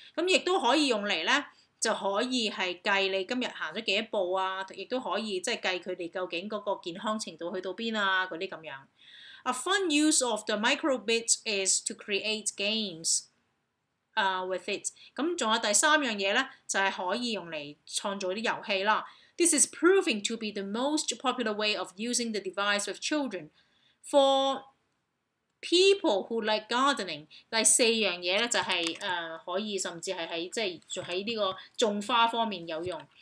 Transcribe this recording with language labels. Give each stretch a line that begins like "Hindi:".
Cantonese: 咁亦都可以用嚟咧，就可以係計你今日行咗幾多步啊，亦都可以即係計佢哋究竟嗰個健康程度去到邊啊嗰啲咁樣。
English: A fun use of the micro bit is to create games with it。
Cantonese: 咁仲有第三樣嘢咧，就係可以用嚟創造啲遊戲啦。
English: This is proving to be the most popular way of using the device with children for people who like gardening。
Cantonese: 第四樣嘢咧就係、可以甚至係喺即係做喺呢個種花方面有用。